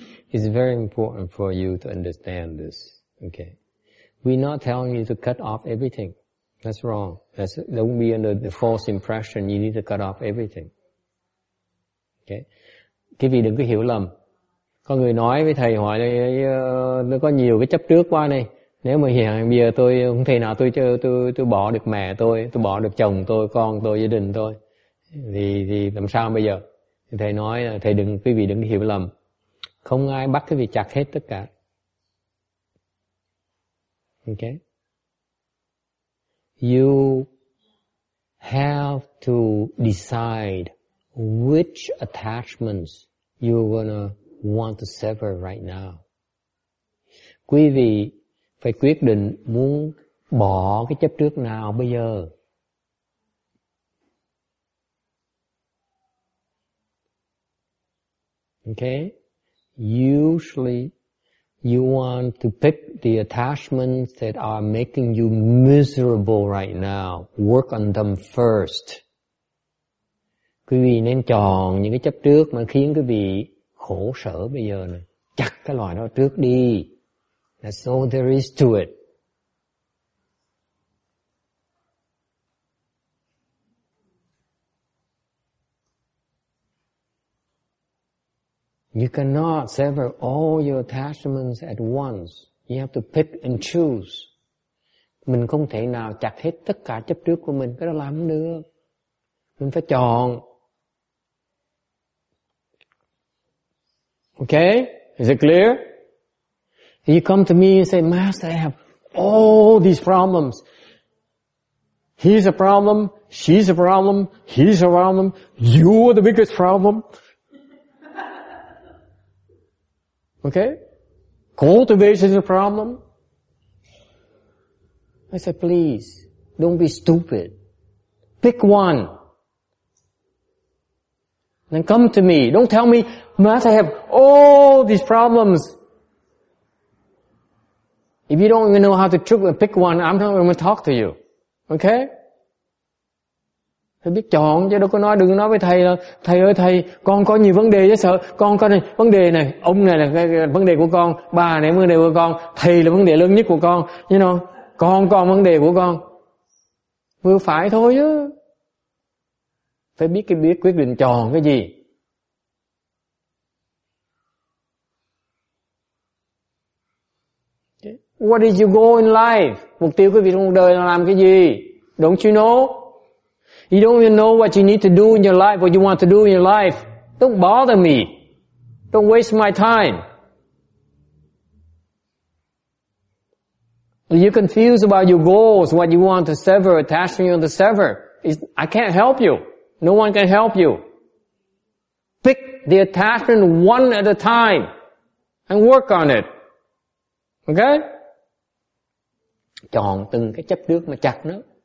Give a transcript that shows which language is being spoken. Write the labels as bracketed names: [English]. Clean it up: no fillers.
[English] It's very important for you to understand this. Okay. We're not telling you to cut off everything. That's wrong. Don't be under the false impression you need to cut off everything. [Vietnamese] Okay. Quý vị đừng có hiểu lầm. Có người nói với thầy hỏi là nó có nhiều cái chấp trước qua này. Nếu mà hiện bây giờ tôi không thể nào tôi bỏ được mẹ tôi bỏ được chồng tôi, con tôi, gia đình tôi. Thì làm sao bây giờ? Thầy nói là quý vị đừng hiểu lầm. Không ai bắt quý vị chặt hết tất cả. [English] Ok. You have to decide which attachments you're gonna want to sever right now. [Vietnamese] Quý vị phải quyết định muốn bỏ cái chấp trước nào bây giờ. [English] Okay? Usually, you want to pick the attachments that are making you miserable right now. Work on them first. [Vietnamese] Quý vị nên chọn những cái chấp trước mà khiến quý vị khổ sở bây giờ này. Chặt cái loại đó trước đi. [English] That's all there is to it. You cannot sever all your attachments at once. You have to pick and choose. [Vietnamese] Mình không thể nào chặt hết tất cả chấp trước của mình, cái đó làm không được. Mình phải chọn. [English] Okay? Is it clear? You come to me and say, Master, I have all these problems. He's a problem, she's a problem, he's a problem, you're the biggest problem. Okay? Cultivation is a problem. I said, please, don't be stupid. Pick one. Then come to me. Don't tell me, Master, I have all these problems. If you don't even know how to pick one, I'm not going to talk to you. Okay? [Vietnamese] Phải biết chọn chứ đâu có nói, đừng nói với thầy là thầy ơi thầy, con có nhiều vấn đề chứ sợ, con có này, vấn đề này, ông này là vấn đề của con, bà này vấn đề của con, thầy là vấn đề lớn nhất của con, [English] you know, [Vietnamese] con còn vấn đề của con. Vừa phải thôi chứ. Phải biết cái biết quyết định chọn cái gì. [English] What is your goal in life? [Vietnamese] Mục tiêu quý vị trong cuộc đời là làm cái gì? [English] Don't you know? You don't even know what you need to do in your life, what you want to do in your life. Don't bother me. Don't waste my time. Are you confused about your goals, what you want to sever, attaching you to sever? I can't help you. No one can help you. Pick the attachment one at a time and work on it. Okay? [Vietnamese] Chọn từng cái chấp trước mà chặt nó.